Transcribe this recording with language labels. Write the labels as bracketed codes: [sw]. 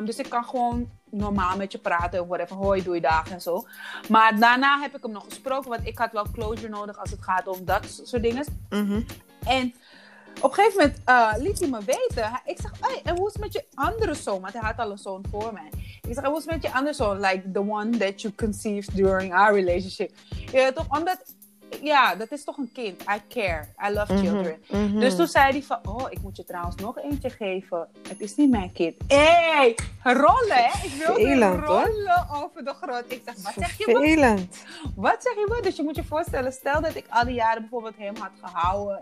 [nl] Dus ik kan gewoon normaal met je praten. Of whatever, hoi, doei, dag en zo. Maar daarna heb ik hem nog gesproken. Want ik had wel closure nodig als het gaat om dat soort dingen. Mm-hmm. En op een gegeven moment liet hij me weten. Ik zeg, hey, en hoe is het met je andere zoon? Want hij had al een zoon voor mij. Ik zeg, hoe is het met je andere zoon? [en] Like the one that you conceived during our relationship. [nl] Ja, toch? Omdat, ja, dat is toch een kind. [en] I care. I love children. [nl] Mm-hmm. Dus toen zei hij van, oh, ik moet je trouwens nog eentje geven. Het is niet mijn kind. Hé, hey, rollen, hè? Ik wilde vervelend, rollen hoor. Over de grond. Ik zeg, wat zeg je? Vervelend. Wat zeg je? Dus je moet je voorstellen, stel dat ik al die jaren bijvoorbeeld hem had gehouden.